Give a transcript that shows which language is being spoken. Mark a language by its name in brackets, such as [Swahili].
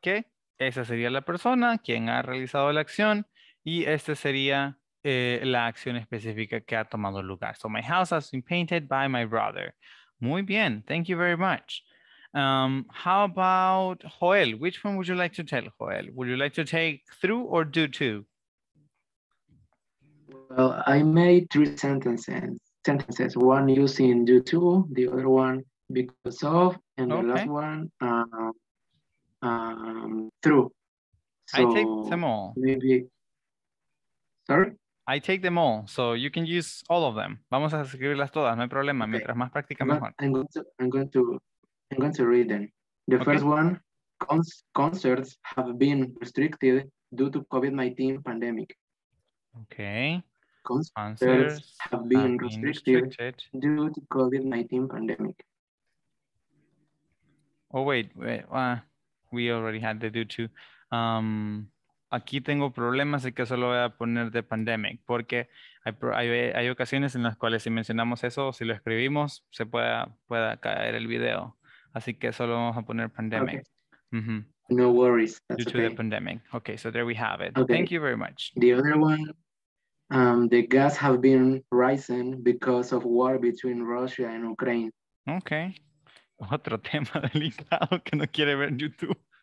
[Spanish] Que esa sería la persona quien ha realizado la acción y esta sería la acción específica que ha tomado lugar. [English] So my house has been painted by my brother. [Spanish] Muy bien, [English] thank you very much. How about Joel? Which one would you like to tell, Joel? Would you like to take through or do to? Well, I made three sentences. One using do to, the other one because of, and okay. The last one through. So I take them all. I take them all, so you can use all of them. [Spanish] Vamos a escribirlas todas, no hay problema. Okay. Mientras más práctica, mejor. [English] I'm going to read them. The okay. First one, concerts have been restricted due to COVID-19 pandemic. Okay. Concerts have been restricted due to COVID-19 pandemic. Oh, wait. We already had the due to. [Spanish] aquí tengo problemas y que solo voy a poner de pandemic, porque hay ocasiones en las cuales si mencionamos eso o si lo escribimos, se pueda caer el video. Así que solo vamos a poner pandemic. [English] Okay. Mm-hmm. No worries. That's due to the pandemic. Okay, so there we have it. Okay. Thank you very much. The other one, the gas have been rising because of war between Russia and Ukraine. Okay. [Spanish] Otro tema delicado que no quiere ver YouTube.